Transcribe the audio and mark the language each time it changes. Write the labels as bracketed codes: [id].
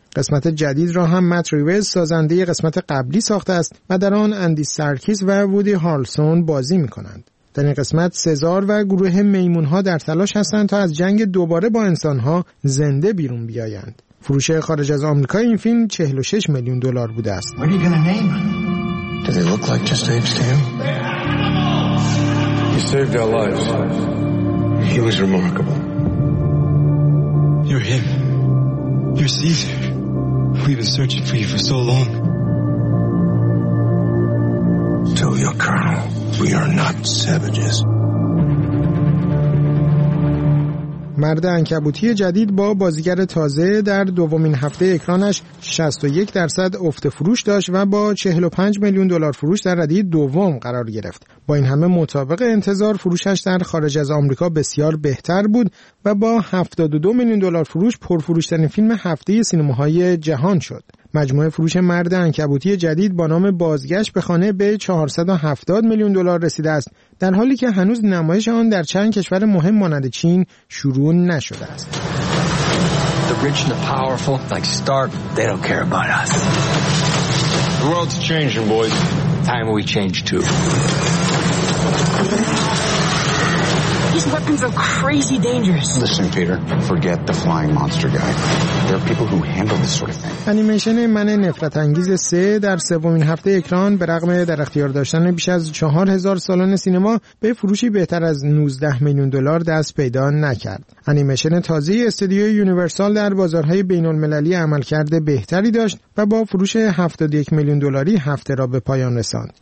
[fa] قسمت جدید را هم مت ریوز سازنده قسمت قبلی ساخته است و در آن اندی سرکیس و وودی هارلسون بازی می‌کنند. در این قسمت سزار و گروه میمون‌ها در تلاش هستند تا از جنگ دوباره با انسان‌ها زنده بیرون بیایند. فروش خارج از آمریکا این فیلم 46 میلیون دلار بوده است. [en] Do they look like just apes to you? He saved our lives. He was remarkable. You're him. You're Caesar. We've been searching for you for so long. Tell your colonel, we are not savages. [fa] مرد عنکبوتی جدید با بازیگر تازه در دومین هفته اکرانش 61% افت فروش داشت و با 45 میلیون دلار فروش در ردیه دوم قرار گرفت. با این همه مطابق انتظار فروشش در خارج از آمریکا بسیار بهتر بود و با 72 میلیون دلار فروش پرفروش‌ترین فیلم هفته سینماهای جهان شد. مجموعه فروش مرد عنکبوتی جدید با نام بازگشت به خانه به 470 میلیون دلار رسیده است، در حالی که هنوز نمایش آن در چند کشور مهم مانند چین شروع نشده است. [en] The rich and the powerful, like Stark, they don't care about us. The world's changing, boys. Time we change too. These weapons are crazy dangerous. Listen, Peter, forget the flying monster guy. There are people who handle this sort of thing. [fa] انیمیشن من نفرت انگیز 3 در سومین هفته اکران به رغم در اختیار داشتن بیش از 4000 سالن سینما به فروشی بهتر از 19 میلیون دلار دست پیدا نکرد. انیمیشن تازه استودیوی یونیورسال در بازارهای بین المللی عملکرد بهتری داشت و با فروش 71 میلیون دلاری هفته را به پایان رساند.